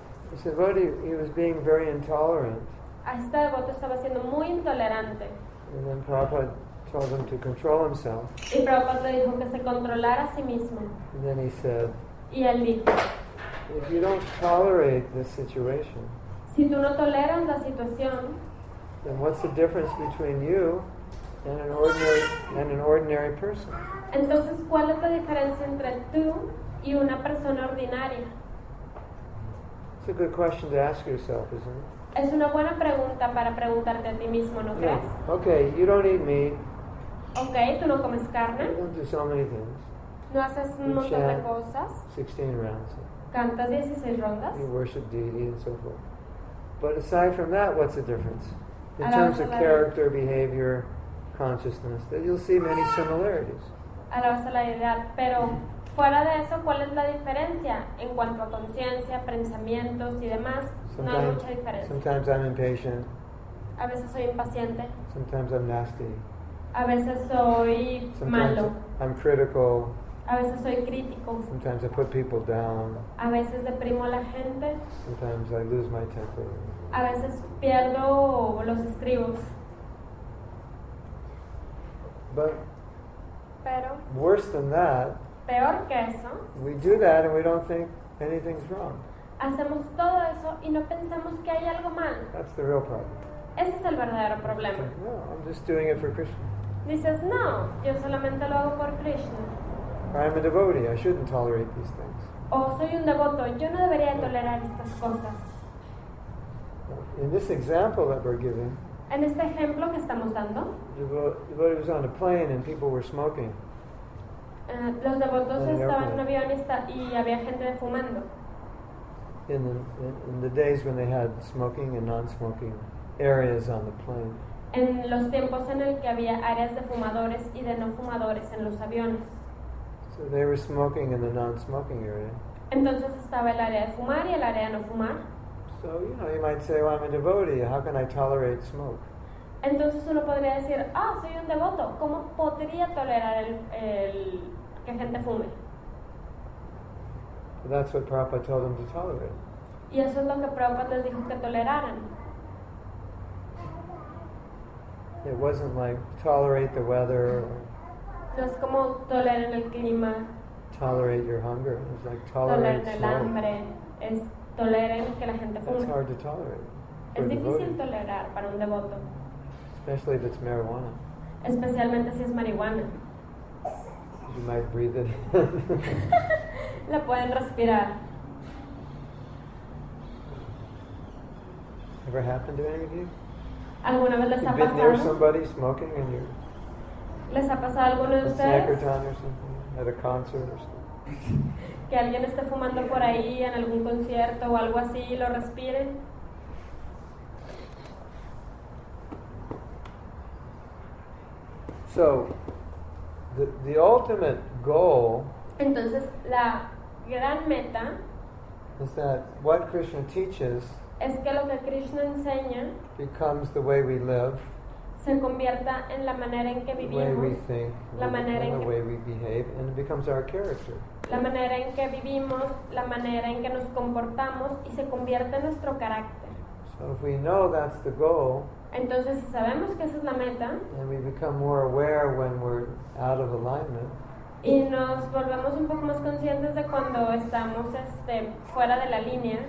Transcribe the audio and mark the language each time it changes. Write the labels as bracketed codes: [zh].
[en] he said, "What he was being very intolerant." [es] Este devoto estaba siendo muy intolerante. [en] And then Prabhupada told him to control himself. [es] Y Prabhupada dijo que se controlara a sí mismo. [en] And then he said, [es] y él dijo, [en] "If you don't tolerate this situation, [es] si tú no toleras la situación, [en] then what's the difference between you and an ordinary person?" [es] Entonces, ¿cuál es la diferencia entre tú y una persona ordinaria? [en] It's a good question to ask yourself, isn't it? [es] Es una buena pregunta para preguntarte a ti mismo, ¿no crees? [en] Okay, you don't eat meat. [es] Okay, tú no comes carne. [en] You don't do so many things. [es] No haces un montón de cosas. [en] 16 rounds. [es] Cantas 16 rondas. [en] You worship deity and so forth. But aside from that, what's the difference? In terms of character, behavior, consciousness, that you'll see many similarities. [es] Alabas a la idea, pero fuera de eso, ¿cuál es la diferencia en cuanto a conciencia, pensamientos y demás? [en] Sometimes, [es] no hay mucha diferencia. [en] Sometimes I'm impatient. [es] A veces soy impaciente. [en] Sometimes I'm nasty. [es] A veces soy [en] sometimes [es] malo. [en] I'm critical. [es] A veces soy crítico. [en] Sometimes I put people down. [es] A veces deprimo a la gente. [en] Sometimes I lose my temper. [es] A veces pierdo los estribos. [en] But worse than that, [es] peor que eso, [en] we do that and we don't think anything's wrong. [es] Hacemos todo eso y no pensamos que hay algo mal. [en] That's the real problem. [es] Ese es el verdadero problema. [en] No, I'm just doing it for Krishna. [es] Dices, no, yo solamente lo hago por Krishna. [en] I'm a devotee, I shouldn't tolerate these things. [es] O soy un devoto, yo no debería tolerar estas cosas. [en] In this example that we're giving, [es] en este ejemplo que estamos dando, [en] devotee was on a plane and people were smoking. [es] Los devotos estaban en avión y había gente fumando. [en] In the days when they had smoking and non-smoking areas on the plane. [es] En los tiempos en el que había áreas de fumadores y de no fumadores en los aviones. [en] So they were smoking in the non-smoking area. [es] Entonces estaba el área de fumar y el área de no fumar. [en] So, you know, you might say, "Well, I'm a devotee. How can I tolerate smoke?" [es] Entonces uno podría decir, "Ah, soy un devoto. ¿Cómo podría tolerar el que gente fume?" [en] But that's what Prabhupada told them to tolerate. [es] Y eso es lo que Prabhupada les dijo que toleraran. [en] It wasn't like tolerate the weather. Or [es] no es como toleren el clima. [en] Tolerate your hunger. It was like tolerate [es] el [en] smoke. [es] Hambre es toleren que la gente fume. [en] That's hard to tolerate. [es] Es difícil tolerar para un devoto. [en] Especially if it's marijuana. [es] Especialmente si es marihuana. [en] You You might breathe it. [es] La pueden respirar. [en] Ever happened to any of you? [es] ¿Alguna vez les ha pasado? [en] Been near somebody smoking and you're... [es] ¿Les ha pasado alguno de ustedes? [en] A Snackertown or something, at a concert or something. [es] Que alguien esté fumando por ahí en algún concierto o algo así y lo respire. [en] So, the ultimate goal. [es] Entonces, la gran meta [en] is that what Krishna teaches [es] es que lo que Krishna enseña [en] becomes the way we live, [es] se convierta en la manera en que vivimos, [en] the way we think, [es] la manera en que, [en] the way we behave, and it becomes our character. [es] La manera en que vivimos, la manera en que nos comportamos, y se convierte en nuestro carácter. [en] So if we know that's the goal, [es] entonces si sabemos que esa es la meta, [en] and we become more aware when we're out of alignment, [es] y nos volvemos un poco más conscientes de cuando estamos fuera de la línea,